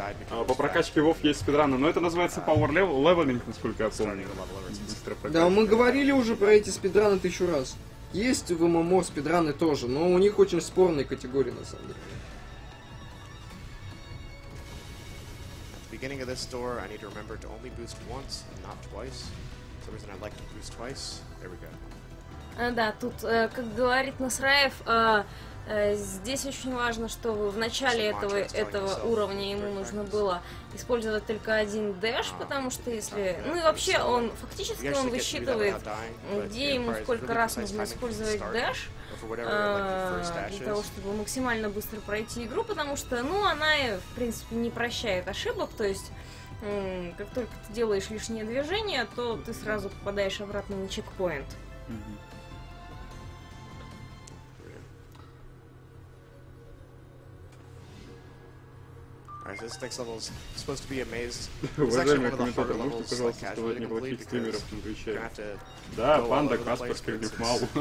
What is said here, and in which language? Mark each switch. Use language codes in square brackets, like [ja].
[ru] А по прокачке WoW есть спидраны, но это называется Power Leveling, насколько я помню. Да, мы говорили уже про эти спидраны тысячу раз. Есть в ММО спидраны тоже, но у них очень спорные категории, на самом деле. [en] At the beginning of this door, I need to remember to only boost once, not twice. For some reason, I like to boost twice. There we go. [ru] Да, тут, как говорит Насраев, здесь очень важно, что в начале этого уровня ему нужно было использовать только один дэш, потому что если... Ну и вообще, он фактически он высчитывает, где ему сколько раз нужно использовать дэш, для того, чтобы максимально быстро пройти игру, потому что, ну, она, в принципе, не прощает ошибок, то есть... как только ты делаешь лишнее движение, то ты сразу попадаешь обратно на чекпоинт. [en] Alright, this next level is supposed to be a maze. [ru] Уважаемые комментаторы, можете, пожалуйста, сказать неплохих стримеров в Твиче? Да, панда Каспер, как мало.